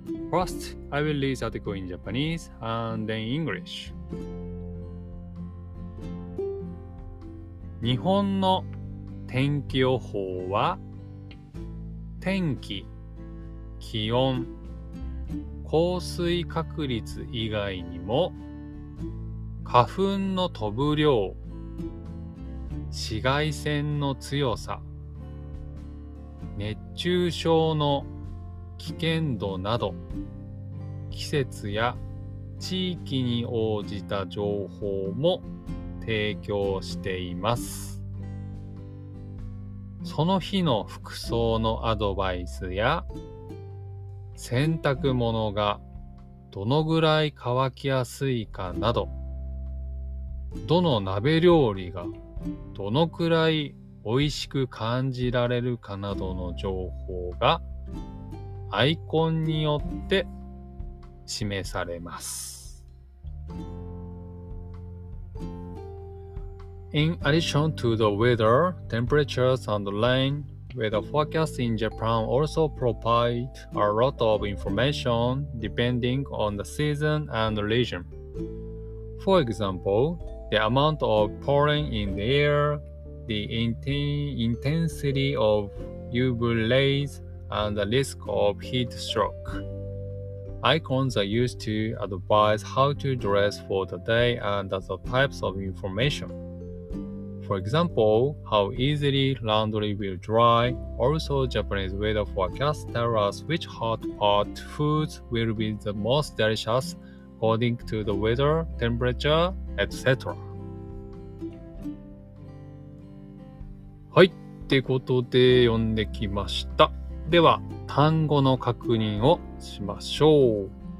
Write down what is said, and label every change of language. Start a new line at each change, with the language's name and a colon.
English: First, I will read the article in Japanese and then English。
Japanese: 日本の天気予報は天気、気温、降水確率以外にも花粉の飛ぶ量、紫外線の強さ、熱中症の危険度など、季節や地域に応じた情報も提供しています。その日の服装のアドバイスや、洗濯物がどのぐらい乾きやすいかなど、どの鍋料理がどのくらい美味しく感じられるかなどの情報がアイコンによって示されます。
English: In addition to the weather, temperatures and rain, weather forecasts in Japan also provide a lot of information depending on the season and region. For example,The amount of pollen in the air, the intensity of UV rays, and the risk of heat stroke. Icons are used to advise how to dress for the day and other types of information. For example, how easily laundry will dry. Also, Japanese weather forecasts tell us which hot foods will be the most delicious according to the weather, temperature, etc.
Japanese: はい、ってことで読んできました。では、単語の確認をしましょう。